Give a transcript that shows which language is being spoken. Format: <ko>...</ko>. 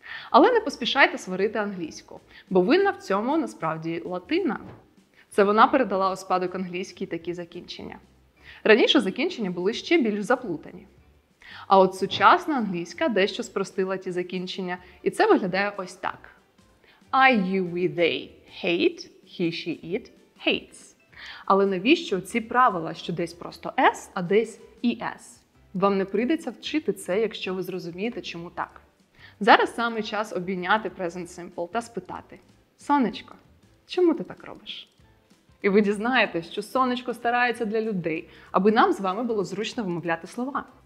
<uk>Але не поспішайте сварити англійську, бо винна в цьому насправді латина. Це вона передала у спадок англійській такі закінчення. Раніше закінчення були ще більш заплутані. А от сучасна англійська дещо спростила ті закінчення, і це виглядає ось так.</uk> <en>I, you, we, they hate, he, she, it hates.</en> <uk>Але навіщо ці правила, що десь просто S, а десь ES? Вам не прийдеться вчити це, якщо ви зрозумієте, чому так. Зараз саме час обійняти present simple та спитати. Сонечко, чому ти так робиш? І ви дізнаєтесь, що сонечко старається для людей, аби нам з вами було зручно вимовляти слова.</uk>